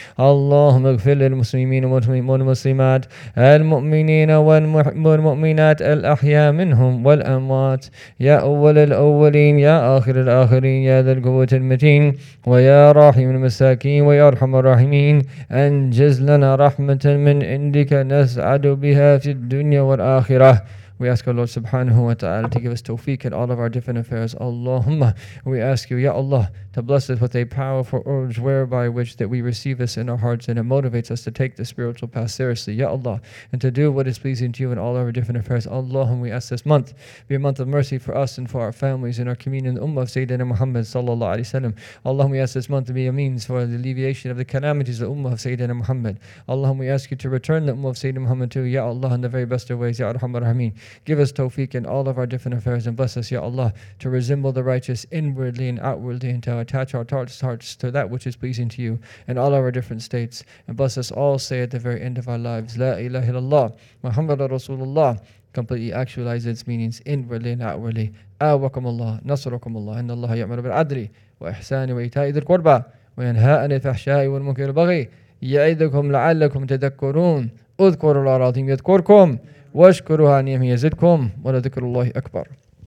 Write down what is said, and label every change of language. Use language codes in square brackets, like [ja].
[ar] اللهم اغفر للمسلمين والمسلمات المؤمنين والمؤمنات الأحياء منهم والأموات يا أول الأولين يا آخر الآخرين يا ذا القوة المتين ويا راحم المساكين ويا أرحم الراحمين. أنجز لنا رحمة من عندك نسعد بها في الدنيا والآخرة. [en] We ask our Lord subhanahu wa ta'ala to give us tawfiq in all of our different affairs. Allahumma, we ask you, Ya Allah, to bless us with a powerful urge whereby which that we receive this in our hearts and it motivates us to take the spiritual path seriously. Ya Allah, and to do what is pleasing to you in all our different affairs. Allahumma, we ask this month be a month of mercy for us and for our families and our communion, the ummah of Sayyidina Muhammad sallallahu alayhi wa sallam. Allahumma, we ask this month to be a means for the alleviation of the calamities of the ummah of Sayyidina Muhammad. Allahumma, we ask you to return the ummah of Sayyidina Muhammad to Ya Allah in the very best of ways, Ya Arhamar Rahimin. Give us tawfiq in all of our different affairs and bless us, Ya Allah, to resemble the righteous inwardly and outwardly and to attach our hearts to that which is pleasing to you in all of our different states. And bless us all, say at the very end of our lives, [ar] La ilaha illallah, Muhammad Rasulullah, [en] completely actualize its meanings inwardly and outwardly. [ar] أعوكم الله نصركم الله إن الله يعمل بالعدل وإحسان وإيتاء ذي القربى وينهى عن الفحشاء والمنكر والبغي يعظكم لعلكم تذكرون اذكروا الله العظيم يذكركم واشكروه على نعمه يزدكم ولذكر الله أكبر.